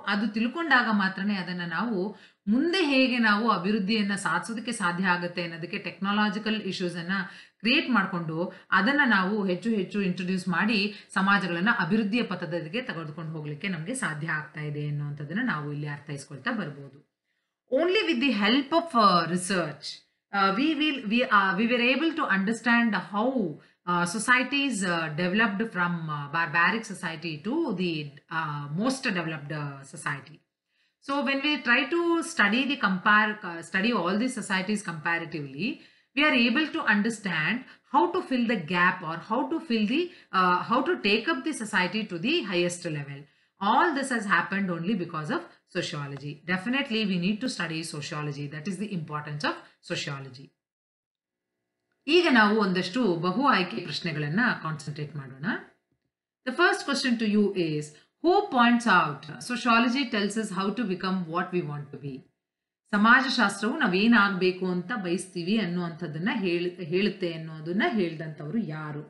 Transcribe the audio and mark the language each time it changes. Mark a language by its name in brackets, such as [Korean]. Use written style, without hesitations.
[Kannada] ಅದು ತಿಳ್ಕೊಂಡಾಗ ಮಾತ್ರನೇ ಅದನ್ನು ನಾವು ಮುಂದೆ ಹೇಗೆ ನಾವು ಅಭಿವೃದ್ಧಿಯನ್ನು ಸಾಧಿಸೋದಕ್ಕೆ ಸಾಧ್ಯ ಆಗುತ್ತೆ ಅನ್ನೋದಕ್ಕೆ ಟೆಕ್ನಾಲಜಿಕಲ್ ಇಶ್ಯೂಸನ್ನು ಕ್ರಿಯೇಟ್ ಮಾಡಿಕೊಂಡು ಅದನ್ನು ನಾವು ಹೆಚ್ಚು ಹೆಚ್ಚು ಇಂಟ್ರೊಡ್ಯೂಸ್ ಮಾಡಿ ಸಮಾಜಗಳನ್ನು ಅಭಿವೃದ್ಧಿಯ ಪಥದಿಗೆ ತೆಗೆದುಕೊಂಡು ಹೋಗಲಿಕ್ಕೆ ನಮಗೆ ಸಾಧ್ಯ ಆಗ್ತಾ ಇದೆ ಅನ್ನುವಂಥದ್ದನ್ನು ನಾವು ಇಲ್ಲಿ ಅರ್ಥೈಸ್ಕೊಳ್ತಾ ಬರ್ಬೋದು. [English] Only with the help of research we were able to understand how societies developed from barbaric society to the most developed society. So when we try to study all these societies comparatively, we are able to understand how to fill the gap or how to take up the society to the highest level. All this has happened only because of sociology. Definitely we need to study sociology. That is the importance of sociology. [Kannada] ಈಗ ನಾವು ಒಂದಷ್ಟು ಬಹು ಆಯ್ಕೆ ಪ್ರಶ್ನೆಗಳನ್ನು concentrate ಮಾಡೋಣ. [English] The first question to you is who points out sociology tells is how to become what we want to be. [Kannada] ಸಮಾಜಶಾಸ್ತ್ರವು ನಾವೇನಾಗಬೇಕು ಅಂತ ಬಯಸ್ತೀವಿ ಅನ್ನುವಂಥದ್ದನ್ನು ಹೇಳುತ್ತೆ ಅನ್ನೋದನ್ನು ಹೇಳಿದಂಥವ್ರು ಯಾರು?